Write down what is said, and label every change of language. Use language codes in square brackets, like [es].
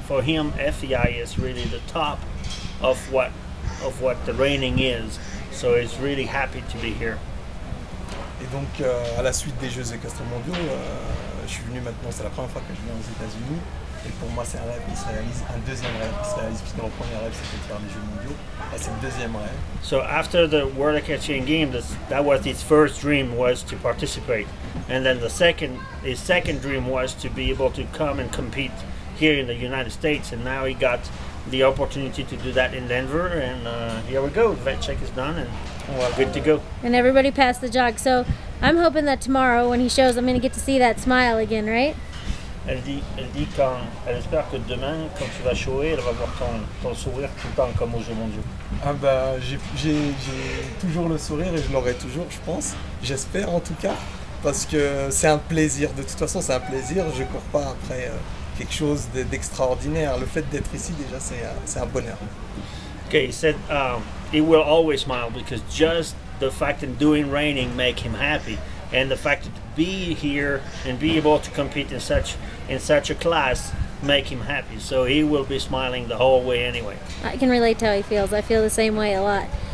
[en] For him, FEI is really the top of what the Reining is. So he's really happy to be here. [fr] Et donc à la suite des Jeux équestres mondiaux, je suis venu maintenant. C'est la première fois que je viens aux États-Unis. Et pour moi, c'est un rêve qui se réalise, un deuxième rêve qui se réalise, puisque mon premier rêve, c'était de faire les Jeux mondiaux. Là, c'est le deuxième rêve. [en] So after the World Equestrian Games, that was his first dream, was to participate. And then his second dream was to be able to come and compete here in the United States. And now he got the opportunity to do that in Denver. And here we go, the vet check is done, and we're good to go. And everybody passed the jog. So I'm hoping that tomorrow, when he shows, I'm going to get to see that smile again, right? [fr] Elle dit quand elle espère que demain, quand tu vas jouer, elle va voir ton sourire tout le temps comme aux Jeux mondiaux. Ah bah j'ai toujours le sourire et je l'aurai toujours, je pense. J'espère en tout cas, parce que c'est un plaisir. De toute façon, c'est un plaisir. Je cours pas après quelque chose d'extraordinaire. Le fait d'être ici déjà, c'est un bonheur. [en] Okay, he said he will always smile because just the fact in doing Reining make him happy. And the fact to be here and be able to compete in such a class make him happy. So he will be smiling the whole way anyway. I can relate to how he feels. I feel the same way a lot.